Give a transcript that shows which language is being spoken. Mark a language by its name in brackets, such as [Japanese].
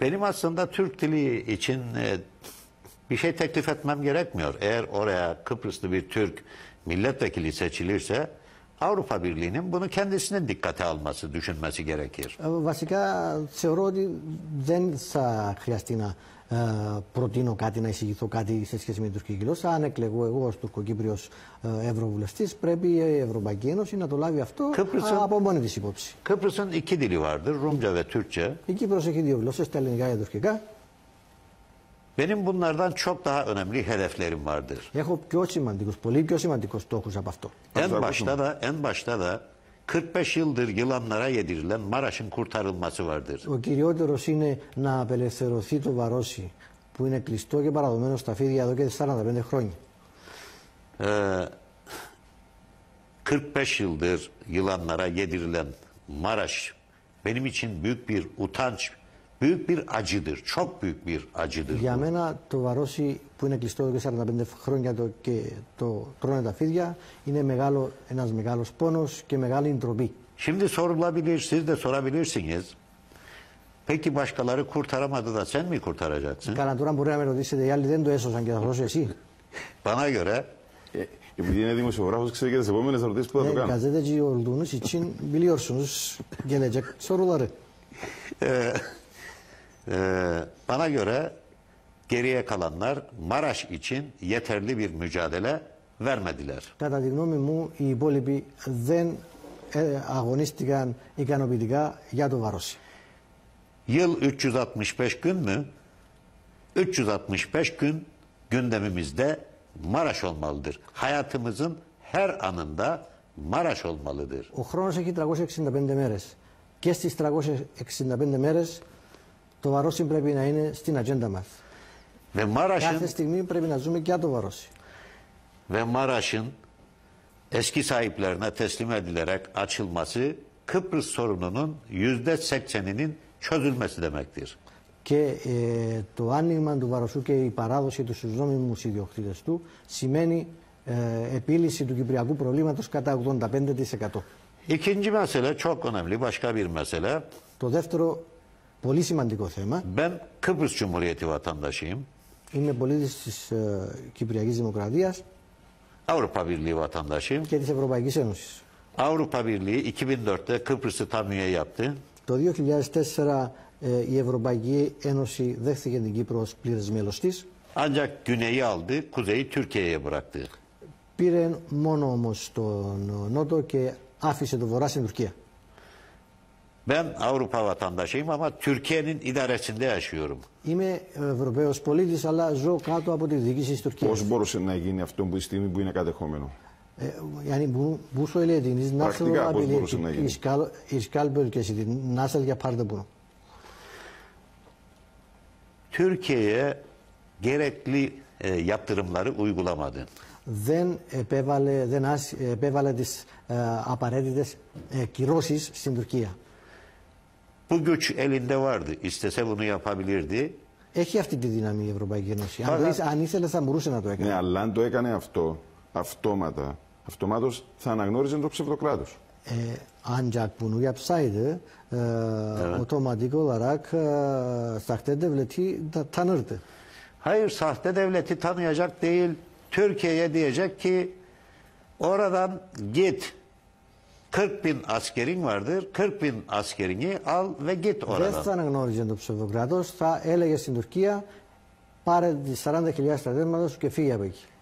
[Turkish] Benim aslında Türk dili için bir şey teklif etmem gerekmiyor. Eğer oraya Kıbrıslı bir Türk milletvekili seçilirse Avrupa Birliği'nin bunu kendisinin dikkate alması, düşünmesi gerekir. [Greek] Βασικά θεωρώ ότι δεν θα χρειαστεί να προτείνω κάτι, να εισηγηθώ κάτι σε σχέση με την τουρκική γλώσσα. Αν εκλεγώ εγώ ως Τουρκοκύπριος Ευρωβουλευτής, πρέπει η Ευρωπαϊκή Ένωση να το λάβει αυτό από μόνη της υπόψη. Κύπρος είναι δύο γλώσσες, Ρούμτζα και Τούρκια. Η Κύπρος έχει δύο γλώσσες, τα ελληνικά και τα τουρκικά. [Turkish] Benim bunlardan çok daha önemli hedeflerim vardır. [Greek] Έχω πιο σημαντικούς, πολύ πιο σημαντικούς στόχους από αυτό. [Turkish] En başta da 45 yıldır yılanlara yedirilen Maraş'ın kurtarılması vardır. [Greek] Ο κυριότερος είναι να απελευθερωθεί το Βαρόσι, που είναι κλειστό και παραδομένο στα φίδια εδώ και 45 χρόνια. [Turkish] 45 yıldır yılanlara yedirilen Maraş benim için büyük bir utanç, büyük bir acıdır, çok büyük bir acıdır. [Greek] Για μένα το Βαρόσι που είναι κλειστό εδώ και 45 χρόνια και το τρώνε τα φίδια, είναι μεγάλο, ένας μεγάλος πόνος και μεγάλη ντροπή. [Turkish] Şimdi sorulabilir, siz de sorabilirsiniz. Peki başkaları kurtaramadı da sen mi kurtaracaksın? [Greek] Καλά, τώρα μπορεί να με ρωτήσει, οι άλλοι δεν το έσωσαν και θα σώσω εσύ. [Turkish] Bana göre... [Greek] Επειδή είναι δημοσιογράφος, ξέρει και τις επόμενες ερωτήσεις που θα το κάνω. [Turkish] Καζέτεγι ολδούνους, ητσιν μιλιόρσουνους, γενέτζεκ, σορουλαρε. Bana göre geriye kalanlar Maraş için yeterli bir mücadele vermediler. [Greek] Κατά τη γνώμη μου, οι υπόλοιποι δεν αγωνίστηκαν ικανοποιητικά για το Βαρός. [Turkish] Yıl 365 gün mü? 365 gün gündemimizde Maraş olmalıdır. Hayatımızın her anında Maraş olmalıdır. [Greek] Ο χρόνος έχει 365 μέρες. Και στις 365 μέρες το Βαρόσι πρέπει να είναι στην ατζέντα μας. [Turkish] Ve Maraş'ın, [Greek] κάθε στιγμή πρέπει να ζούμε και το Βαρόσι. [Turkish] Ve Maraş'ın eski sahiplerine teslim edilerek açılması Kıbrıs sorununun %80'inin çözülmesi demektir. [Greek] Και το άνοιγμα του Βαρουσού και η παράδοση του στους νόμιμους ιδιοκτήτες του σημαίνει επίλυση του κυπριακού προβλήματος κατά 85%. [Turkish] İkinci mesele çok önemli, başka bir mesele. [Greek] Το δεύτερο πολύ σημαντικό θέμα. [Turkish] Ben Kıbrıs Cumhuriyeti vatandaşıyım. [Greek] Είμαι πολίτης της Κυπριακής Δημοκρατίας. [Turkish] Avrupa Birliği vatandaşıyım. [Greek] Και της Ευρωπαϊκής Ένωσης. [Turkish] Avrupa Birliği 2004'te Kıbrıs'ı tam üye yaptı. [Greek] Το 2004 η Ευρωπαϊκή Ένωση δέχθηκε την Κύπρο ως πλήρες μέλος της. [Turkish] Ancak güneyi aldı, kuzeyi Türkiye'ye bıraktı. [Greek] Πήρε μόνο όμως τον νότο και άφησε τον βορρά στην Τουρκία. [Turkish] Ben Avrupa vatandaşıyım ama Türkiye'nin idaresinde yaşıyorum. [Greek] Είμαι Ευρωπαίος πολίτης, αλλά ζω κάτω από τη διοίκηση της Τουρκίας. Πώς μπορούσε να γίνει αυτό που η στιγμή που είναι κατεχόμενο? [Turkish] Yani bu söylediğiniz nasıl olabilir? İşgal bölgesidir. Nasıl yapardı bunu? Türkiye'ye gerekli yaptırımları uygulamadı. [Greek] Δεν επέβαλε τις απαραίτητες κυρώσεις στην Τουρκία. [Turkish] Bu güç elinde vardı. İstese bunu yapabilirdi. [Greek] Έχει αυτή τη δύναμη η Ευρωπαϊκή Ένωση. Αν ήθελε θα μπορούσε να το έκανε. Ναι, αλλά αν το έκανε αυτό, αυτόματα, αυτομάτως θα αναγνώριζε το ψευδοκράτος. [Turkish] Ancak bunu yapsaydı otomatik olarak sahte devleti tanırdı. Hayır, sahte devleti tanıyacak değil. Türkiye'ye diyecek ki oradan git. 40 bin askerin vardır. 40 bin askerini al ve git oradan. [Greek] Δεν θα αναγνώριζε το ψευδοκράτος. Θα έλεγε στην Τουρκία πάρε 40.000 στρατεύματος και φύγε από εκεί.